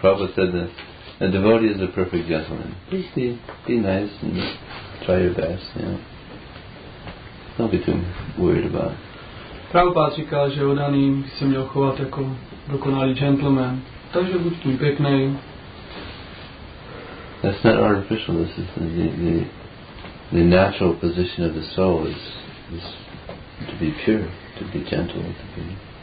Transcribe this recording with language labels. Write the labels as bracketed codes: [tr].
[en] Prabhupada said that a devotee is a perfect gentleman. Just be nice and try your best, you know. Don't be too worried about it. [cs] Prabhupada říkal, že oddaný se měl chovat jako dokonalý gentleman. Takže buď tu pěkný. [en] That's not artificial. This is the natural position of the soul is to be pure, to be gentle, to be...